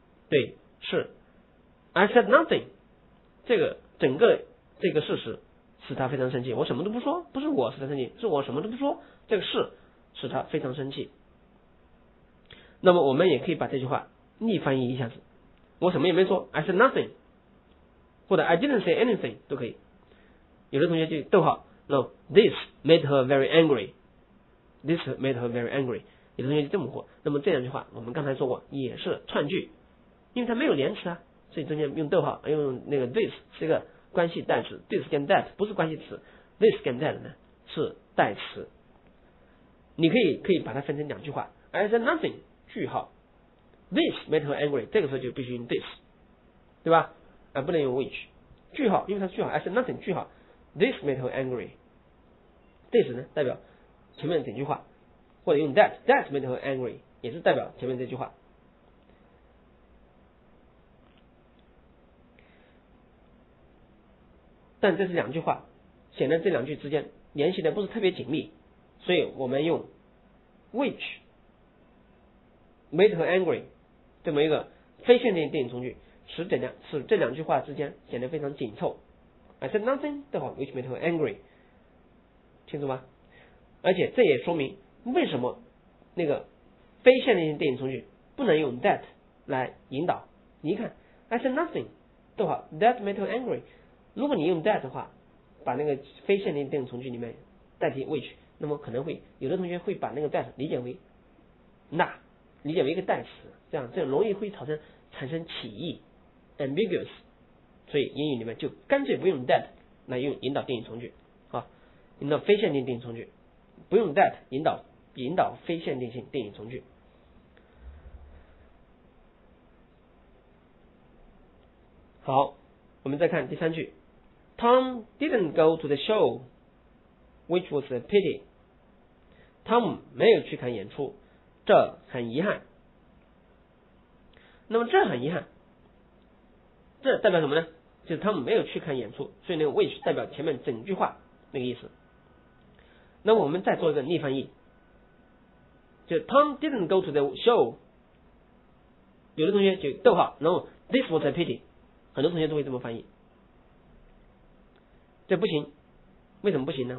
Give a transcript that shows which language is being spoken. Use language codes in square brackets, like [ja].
[zh] 对，是 I said nothing，这个整个这个事实使他非常生气。我什么都不说，不是我使他生气，是我什么都不说，这个事使他非常生气。那么我们也可以把这句话逆翻译一下子，我什么也没说 I said nothing，或者 I didn't say anything 都可以。 [en] 有的同学就逗号 No， This made her very angry， This made her very angry，有同学就这么过。 [zh] 那么这两句话我们刚才说过也是串句，因为它没有连词啊，所以中间用逗号，用那个 this 是一个关系代词， this 跟 that 不是关系词， this 跟 that 呢是代词。你可以把它分成两句话， I said nothing 句号， this made her angry，这个时候就必须用 this， 对吧？不能用 which 句号，因为它是句号， I said nothing 句号， this made her angry， this 呢代表前面整句话，或者用 that made her angry 也是代表前面这句话。但这是两句话，显然这两句之间联系的不是特别紧密，所以我们用 which made her angry 这么一个非线性定语从句，使这两句话之间显得非常紧凑。 [en] I said nothing 对吧？ which made her angry，清楚吗？ [zh] 而且这也说明为什么那个非线性定语从句不能用 that 来引导。你一看 I said nothing 的话 that made her angry，如果你用 that 的话，把那个非线性定语从句里面代替 which，那么可能会有的同学会把那个 that 理解为那，理解为一个代词，这样就容易会产生歧义 ambiguous， 所以英语里面就干脆不用 that， 那用引导定语从句啊，引导非限定定语从句，不用 that， 引导非限定性定语从句。好，我们再看第三句， Tom didn't go to the show which was a pity， Tom 没有去看演出，这很遗憾。那么这很遗憾，这代表什么呢？就是 Tom 没有去看演出，所以那个 which 代表前面整句话那个意思。那我们再做一个逆翻译，就 Tom didn't go to the show，有的同学就逗号，然后 this was a pity，很多同学都会这么翻译，这不行。为什么不行呢？